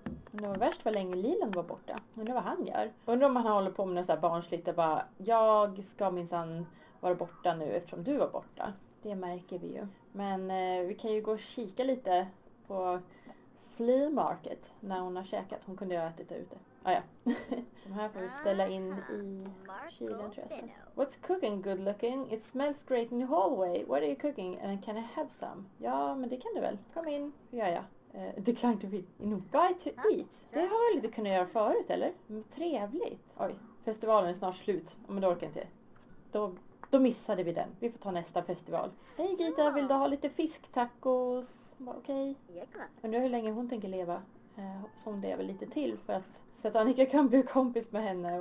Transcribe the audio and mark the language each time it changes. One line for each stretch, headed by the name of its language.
Swedish: Men det var värst vad länge Liland var borta. Undrar vad han gör. Undrar om han håller på med något så här barnsligt och bara, jag ska minsann vara borta nu eftersom du var borta. Det märker vi ju. Men vi kan ju gå och kika lite på flea market när hon har käkat. Hon kunde ju ha ätit det ute. Ah, ja. De här får vi ställa in i kylen tror jag sen.
English: What's cooking good looking? It smells great in the hallway. What are you cooking and can I have some?
Swedish: Ja, men det kan du väl. Kom in. Ja, ja.
English: Decline to invite to eat.
Swedish: Det har jag lite kunnat göra förut, eller? Men trevligt. Oj, festivalen är snart slut. Men då orkar jag inte. Då missade vi den. Vi får ta nästa festival. Hej Gita, vill du ha lite fisktacos? Okej. Okay. Undrar hur länge hon tänker leva. Så hon lever lite till för att så att Annika kan bli kompis med henne.